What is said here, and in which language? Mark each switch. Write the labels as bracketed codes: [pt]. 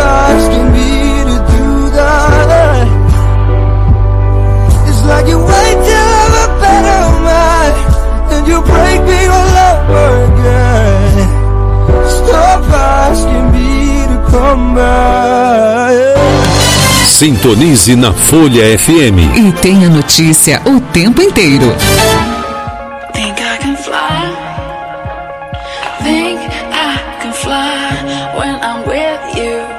[en] Asking me to do that. It's like you wait till I'm a better man, then you break me all over again. Stop asking me to come back. [pt] Sintonize na Folha FM e tenha notícia o tempo inteiro. [en] Think I can fly. Think I can fly when I'm with you.